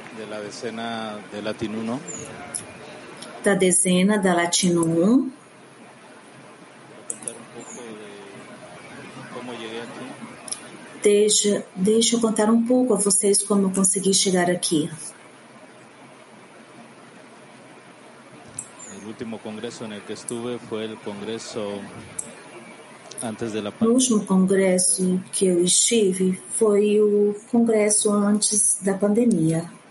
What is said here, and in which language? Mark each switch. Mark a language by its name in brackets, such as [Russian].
[Spanish] La decena de Latin 1. [Portuguese] Da decena da Latin 1. [Spanish] Contar un poco de cómo llegué aquí. [Portuguese] Deixa eu contar um pouco a vocês como eu consegui chegar aqui. [Spanish] El último congreso en el que estuve fue el congreso antes de la pandemia. [Portuguese] O último congresso que eu estive foi o congresso antes da pandemia.